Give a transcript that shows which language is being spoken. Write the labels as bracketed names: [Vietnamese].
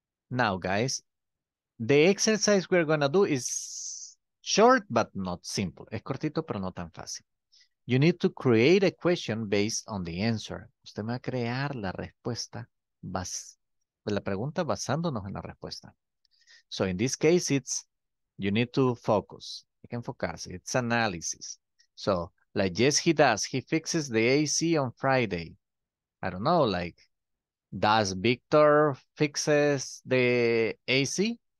[English] Now, guys, the exercise we're going to do is short, but not simple. [Spanish] Es cortito, pero no tan fácil. [English] You need to create a question based on the answer. [Spanish] Usted me va a crear la respuesta, la pregunta basándonos en la respuesta. [English] So in this case, it's, you need to focus. [Spanish] Hay que enfocarse. [English] It's analysis. So, like, yes, he does. He fixes the AC on Friday. I don't know, like, does Victor fixes the AC?